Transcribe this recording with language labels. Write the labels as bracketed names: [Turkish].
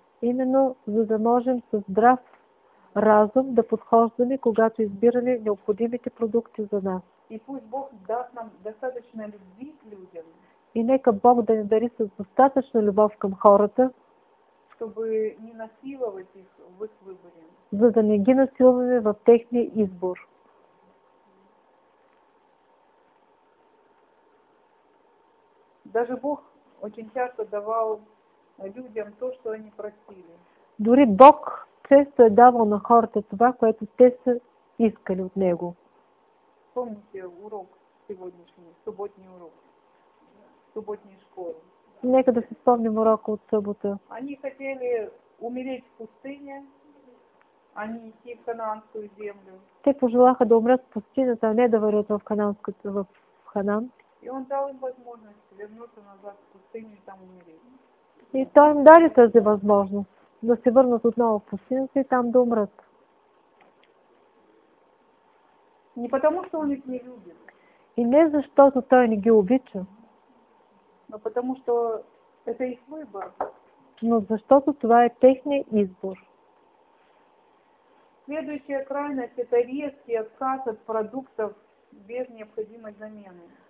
[Bulgarian] Именно за да можем со здрав разум да подхождаме, когато избираме необходимите продукти за нас. [Russian] И пусть Бог даст нам достаточно любви к людям. [Bulgarian] И нека Бог да ни дари с достатъчно любов към хората, [Russian] чтобы не насиловать их в их выборе. [Bulgarian] За да не ги насилваме в техния избор. [Russian] Даже Бог очень часто давал людям то, что они просили. [Bulgarian] Дори Бог често е давал на хората това, което те са искали от Него. [Russian] Помните урок сегодняшний, субботний урок, субботней школы. [Bulgarian] Нека да си спомним урока от събота. [Russian] Они хотели умереть в пустыне, а не идти в Кананскую землю. [Bulgarian] Те пожелаха да умрят в пустыне, а не да вървят в Ханан. [Russian] И он дал им возможность вернуться назад в пустыню и там умереть. [Bulgarian] И той им дали тази възможност да се върнат отново в пустинята и там да умрат. [Russian] Не потому, что он их не любит. [Bulgarian] И не защото той не ги обича. [Russian] Но потому, что это их выбор. [Bulgarian] Но защото това е техния избор. [Russian] Следующая крайность – это резкий отказ от продуктов без необходимой замены.